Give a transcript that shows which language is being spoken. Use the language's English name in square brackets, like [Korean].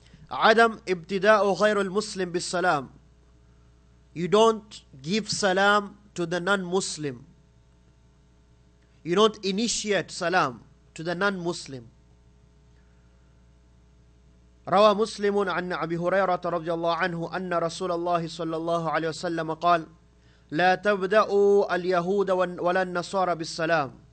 [Arabic] عدم ابتداء غير المسلم بالسلام. [English] You don't give salam to the non-Muslim. You don't initiate salam to the non-Muslim. [Arabic] روى مسلم عن أبي هريرة رضي الله عنه أن رسول الله صلى الله عليه وسلم قال لا تبدأوا اليهود ولا النصارى بالسلام.